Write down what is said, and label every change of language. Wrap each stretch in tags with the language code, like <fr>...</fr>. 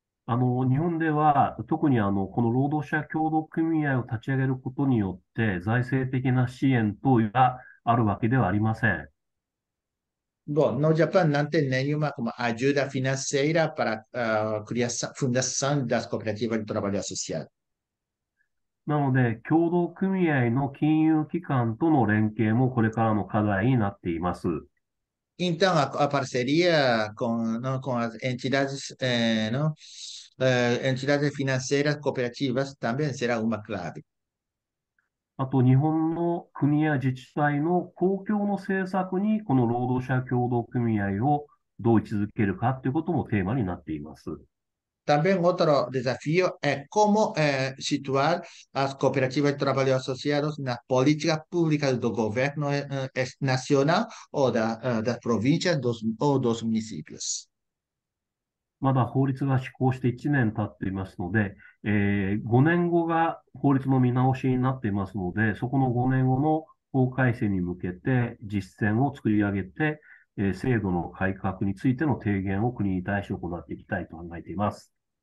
<ja>日本では、特にこの労働者協同組合を立ち上げることによって、財政的な支援等があるわけではありません。</ja> <pt>Bom, no Japão não tem nenhuma como ajuda financeira para a criação, fundação das cooperativas de trabalho associado.</pt> <ja>なので、協同組合の金融機関との連携もこれからの課題になっています。</ja> <pt>Então, a parceria com as entidades, não? Entidades financeiras cooperativas também será uma clave.</pt> <ja>あと日本の国や自治体の公共の政策にこの労働者協同組合をどう位置づけるかということもテーマになっています。</ja> <es>También otro desafío es cómo situar las cooperativas de trabajo asociados en las políticas públicas del gobierno nacional o de las provincias o de los municipios.</es> <ja>まだ法律が施行して1年経っていますので、5年後が法律の見直しになっていますので、そこの5年後の法改正に向けて実践を作り上げて、制度の改革についての提言を国に対して行っていきたいと考えています。</ja>